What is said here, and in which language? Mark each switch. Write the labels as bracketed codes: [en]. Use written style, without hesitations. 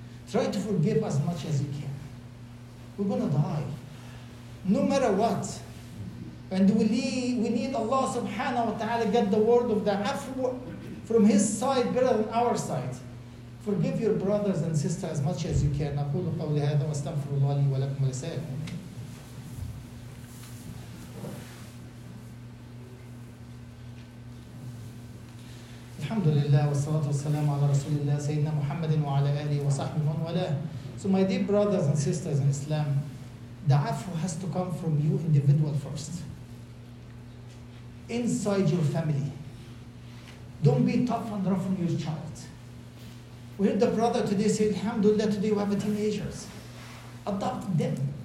[en] Try to forgive as much as you can. We're going to die. No matter what. And we need Allah subhanahu wa ta'ala get the word of the afwa from his side better than our side. Forgive your brothers and sisters as much as you can. [ar] أقول قولي هذا واستغفر الله لي ولكم ولسائر. الحمد لله والصلاة والسلام على رسول الله سيدنا محمد وعلى آله وصحبه من والاه. [en] So my dear brothers and sisters in Islam, the afwa has to come from you individual first. Inside your family. Don't be tough and rough on your child. We heard the brother today say, Alhamdulillah, today we have teenagers. Adopt them.